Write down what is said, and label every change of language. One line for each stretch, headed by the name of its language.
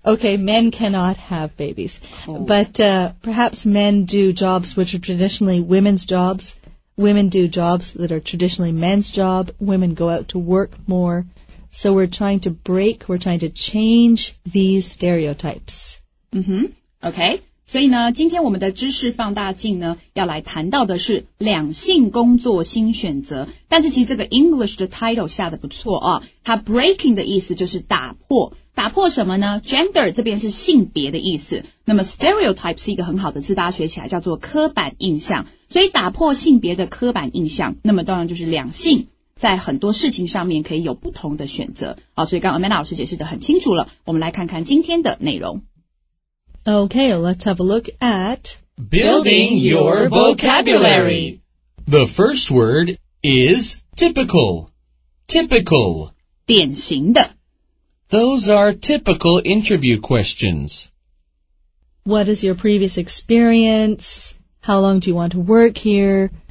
English: Okay, men cannot have babies. Oh. But perhaps men do jobs which are traditionally women's jobs. Women do jobs that are traditionally men's job. Women go out to work more. So we're trying to change these stereotypes. Mm-hmm. Okay.
Chinese: 所以呢，今天我们的知识放大镜呢，要来谈到的是两性工作新选择。但是其实这个
English: English
Chinese: 的
English: title
Chinese: 下的不错啊，它
English: breaking
Chinese: 的意思就是打破。打破什么呢？
English: Gender
Chinese: 这边是性别的意思，那么
English: stereotype
Chinese: 是一个很好的字，大家学起来叫做刻板印象。所以打破性别的刻板印象，那么当然就是两性在很多事情上面可以有不同的选择。好，所以刚刚 Amanda 老师解释得很清楚了，我们来看看今天的内容。
English: Okay, let's have a look at Building your vocabulary. The first word is typical. Typical.
Chinese: 典型的。
English: Those are typical interview questions. What is your previous experience? How long do you want to work here?